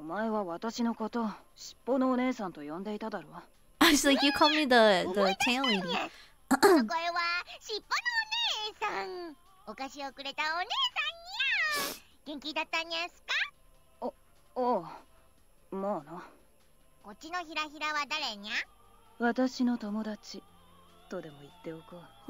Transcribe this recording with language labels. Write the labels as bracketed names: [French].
[Japanese] お前は私のこと、尻尾のお姉さんと呼んでいただろう。 [English] She's like, you call me the tail lady. [Japanese] そこへは、尻尾のお姉さん。お菓子をくれたお姉さんにゃ。元気だったにゃすか？ああ、まあな。こっちのひらひらは誰にゃ？私の友達とでも言っておこう。